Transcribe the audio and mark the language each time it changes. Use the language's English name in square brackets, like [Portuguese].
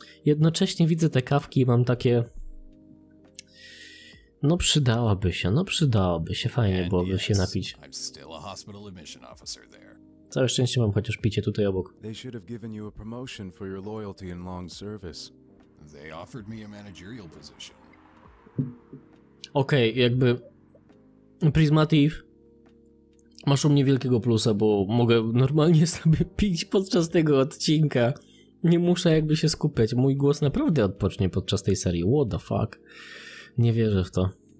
[Polish] Jednocześnie widzę te kawki i mam takie, no przydałoby się, fajnie byłoby się napić. [English] I'm still a hospital admission officer there. [Polish] Całe szczęście mam chociaż picie tutaj obok. [English] They should have given you a promotion for your loyalty and long service. They offered me a managerial position. [Polish] Okej, okay, jakby Prismative, masz u mnie wielkiego plusa, bo mogę normalnie sobie pić podczas tego odcinka. Nie muszę jakby się skupiać, mój głos naprawdę odpocznie podczas tej serii. [English] What the fuck? [Polish] Nie wierzę w to.